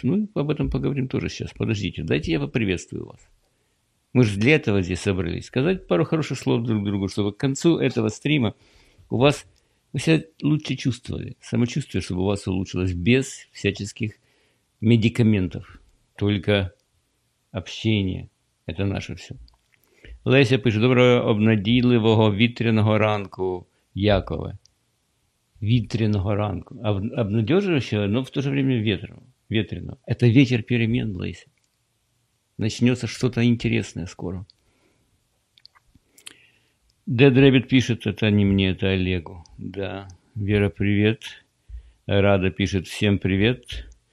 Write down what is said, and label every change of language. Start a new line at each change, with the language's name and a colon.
Russian: Ну, об этом поговорим тоже сейчас. Подождите, дайте я поприветствую вас. Мы же для этого здесь собрались. Сказать пару хороших слов друг другу, чтобы к концу этого стрима у вас вы себя лучше чувствовали. Самочувствие, чтобы у вас улучшилось без всяческих медикаментов. Только общение. Это наше все. Леся пишет:
Ukrainian: доброго обнадійливого вітряного ранку, Якове. Вітряного ранку.
Russian: Обнадеживающего, но в то же время ветреного. Это ветер перемен, Леся. Начнется что-то интересное скоро. Дед Рэббит пишет: это не мне, это Олегу. Да. Вера, привет. Рада пишет: всем привет.